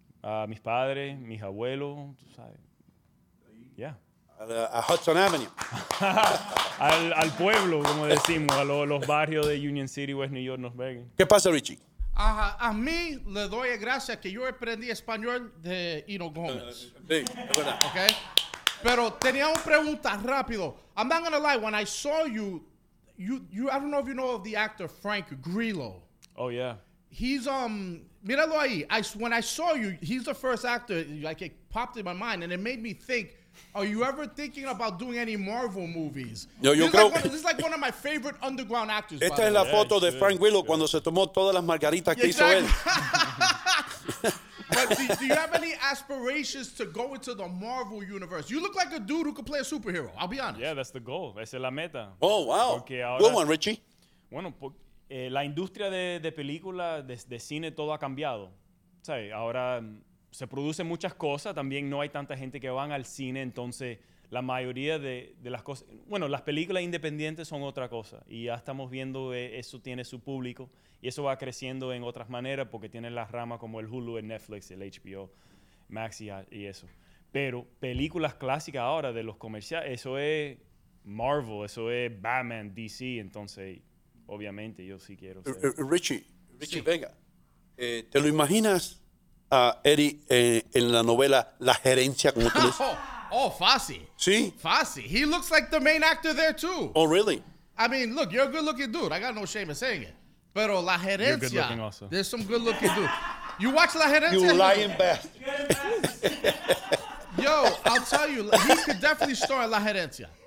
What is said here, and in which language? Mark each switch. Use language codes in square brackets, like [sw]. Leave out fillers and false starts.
[es] A mis padres, mis abuelos, tú sabes. Ya. [en] Yeah. A Hudson Avenue. [es] al pueblo, como decimos, a los barrios de Union City, West New York, North Bergen. ¿Qué pasa, Richie? A mí le doy gracias que yo aprendí español de Hino Gómez. Sí, es verdad. Okay. Pero tenía una pregunta rápido. [en] I'm not gonna lie, when I saw you, I don't know if you know of the actor Frank Grillo. Oh, yeah. He's, [es] míralo ahí. [en] When I saw you, he's the first actor, like, it popped in my mind, and it made me think, are you ever thinking about doing any Marvel movies? No, this is like one of my favorite underground actors. [es] Esta es la foto de Frank Willow cuando se tomó todas las margaritas que hizo él. [en] But do you have any aspirations to go into the Marvel universe? You look like a dude who could play a superhero, I'll be honest. Yeah, that's the goal. [es] Esa es la meta. [en] Oh, wow. [es] Ahora, [en] good one, Richie. [es] Bueno, la industria de películas, de cine, todo ha cambiado. ¿Sabe? Ahora se producen muchas cosas, también no hay tanta gente que van al cine, entonces la mayoría de las cosas, bueno, las películas independientes son otra cosa, y ya estamos viendo eso tiene su público, y eso va creciendo en otras maneras, porque tienen las ramas como el Hulu, el Netflix, el HBO, Max y eso. Pero películas clásicas ahora, de los comerciales, eso es Marvel, eso es Batman, DC, entonces obviamente, yo sí quiero ser. Richie, sí. Venga. ¿Te lo imaginas a Eddie en la novela La Gerencia? Como tú fácil. ¿Sí? Fácil. [en] He looks like the main actor there, too. Oh, really? I mean, look, you're a good-looking dude. I got no shame in saying it. [es] Pero [en] La Gerencia, you're good-looking also. There's some good-looking dude. You watch La Gerencia? You lying bastard. Yo, I'll tell you, he could definitely star in La Gerencia.